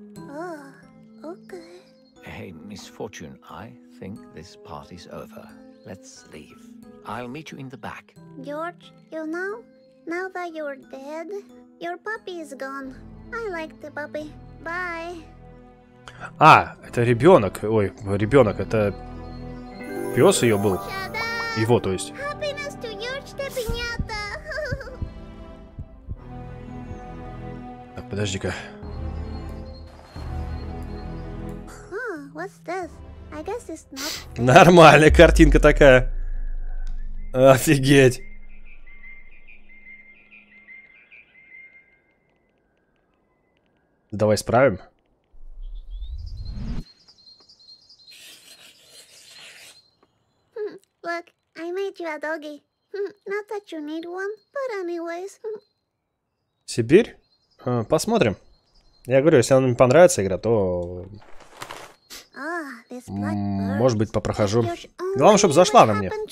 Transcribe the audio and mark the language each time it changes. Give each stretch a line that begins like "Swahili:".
English: Oh, okay. Hey, Miss Fortune, I think this party's over. Let's leave. I'll meet you in the back. George, you know, now that you're dead, your puppy is gone. I like the puppy. Bye.
Russian: А, это ребенок. Ой, ребенок, это пес ее был. Его, то есть.
English: Happiness to George the piñata.
Russian: Так, подожди-ка.
English: Oh, what's this? I guess it's not...
Russian: Нормальная картинка такая. Офигеть. Давай справим.
English: Look, I made you a doggy. Not that you need one, but anyways.
Russian: Сибирь? Посмотрим. Я говорю, если она мне понравится игра, то... Может быть, попрохожу. Главное, чтобы зашла на мне.